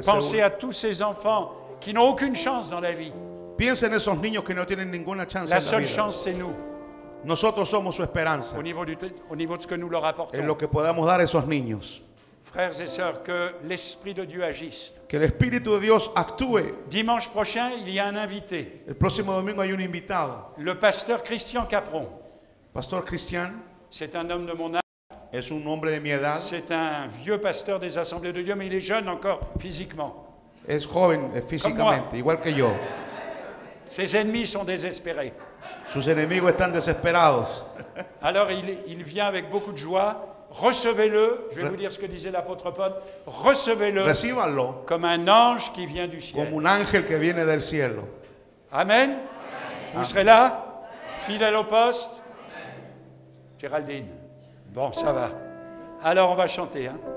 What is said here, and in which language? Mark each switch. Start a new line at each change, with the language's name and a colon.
French: pensez Seúl. À tous ces enfants qui n'ont aucune chance dans la vie.
Spanish: Piensen en esos niños que no tienen ninguna chance la en la
French: seule
Spanish: vida.
French: Chance, c'est nous.
Spanish: Nosotros somos su esperanza.
French: Au niveau de ce que nous leur apportons.
Spanish: En lo que podamos dar a esos niños.
French: Frères et sœurs, que l'Esprit de Dieu agisse.
Spanish: Que el Espíritu de Dios actúe.
French: Dimanche prochain, il y a un invité.
Spanish: El próximo domingo hay un invitado.
French: Le pasteur Christian Capron.
Spanish: Pastor Cristian.
French: C'est un homme de mon âge.
Spanish: Es un hombre de mi edad.
French: C'est un vieux pasteur des Assemblées de Dieu, mais il est jeune encore physiquement.
Spanish: Es joven físicamente, igual que yo.
French: Ses ennemis sont désespérés.
Spanish: Sus enemigos están desesperados.
French: Alors il vient avec beaucoup de joie. Recevez-le. Je vais vous dire ce que disait l'apôtre Paul. Recevez-le.
Spanish: Recíbanlo.
French: Comme un ange qui vient du ciel.
Spanish: Como un ángel que viene del cielo.
French: Amen. Amen. Vous serez là. Amen. Fidèle au poste. Amen. Géraldine. Bon, ça va. Alors on va chanter. Hein.